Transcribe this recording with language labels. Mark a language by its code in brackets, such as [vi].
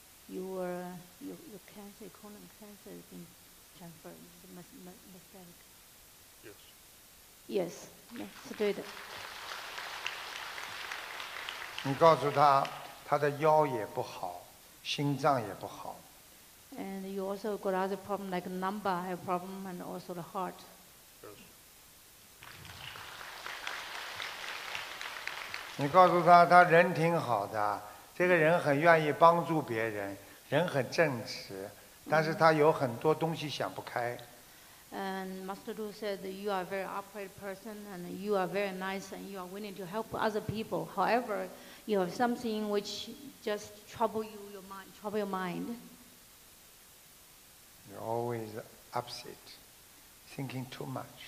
[en] Your cancer, colon cancer has been transferred. Metastatic. Yes. Yes. [zh] 是对的。你告诉他，他的腰也不好，心脏也不好。 [en] And you also got other problems like lumbar have problem and also the heart. Yes. [zh] 你告诉他，他人挺好的，这个人很愿意帮助别人，人很正直，但是他有很多东西想不开。 [en] And Master Lu said that you are a very upright person and you are very nice and you are willing to help other people. However, you have something which just trouble your mind. You're always upset, thinking too much.